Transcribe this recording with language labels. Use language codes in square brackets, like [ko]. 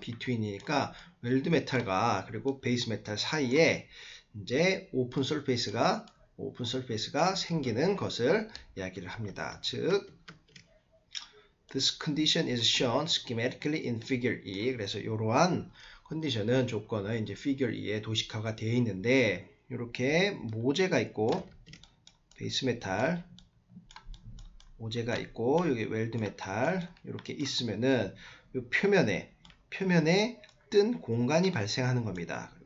[ko] Between이니까 웰드 메탈과 그리고 베이스 메탈 사이에 이제 오픈 서피스가 생기는 것을 이야기를 합니다. [en] 즉 This condition is shown schematically in Figure E. [ko] 그래서 이러한 컨디션은 조건은 이제 Figure E에 도식화가 되어 있는데 이렇게 모재가 있고 베이스 메탈 모재가 있고 여기 웰드 메탈 이렇게 있으면은 이 표면에 뜬 공간이 발생하는 겁니다.